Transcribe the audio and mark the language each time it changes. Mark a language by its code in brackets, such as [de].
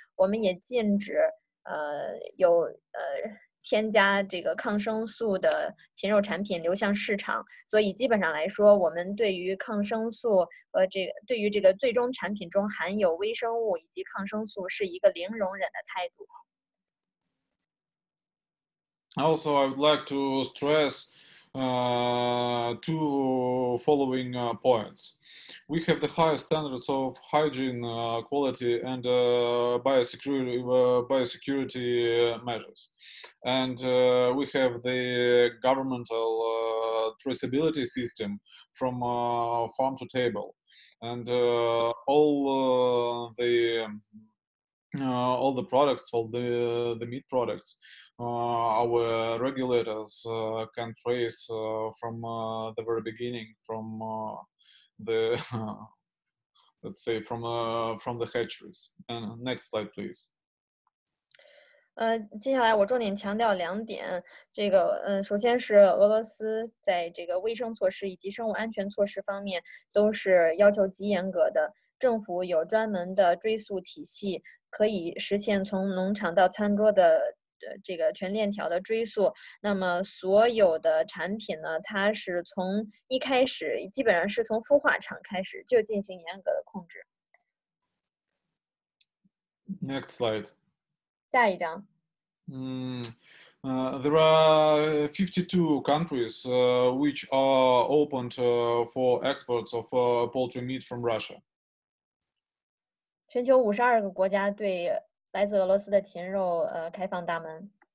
[zh] 我们也禁止有添加这个抗生素的禽肉产品流向市场，所以基本上来说，我们对于抗生素和对于这个最终产品中含有微生物以及抗生素是一个零容忍的态度。 [en] Also, I would like to stress two following points. We have the highest standards of hygiene quality and biosecurity measures. And we have the governmental traceability system from farm to table. And all the products, all the meat products, our regulators can trace from the very beginning, from the let's say from the hatcheries. And next slide, please. [zh] 接下来我重点强调两点。这个，首先是俄罗斯在这个卫生措施以及生物安全措施方面都是要求极严格的。政府有专门的追溯体系，可以实现从农场到餐桌的这个全链条的追溯。那么所有的产品呢，它是从一开始基本上是从孵化场开始就进行严格的控制。 [en] Next slide. [zh] 下一张。 [en] There are 52 countries which are opened for exports of poultry meat from Russia. [zh] 全球52个国家对来自俄罗斯的禽肉开放大门。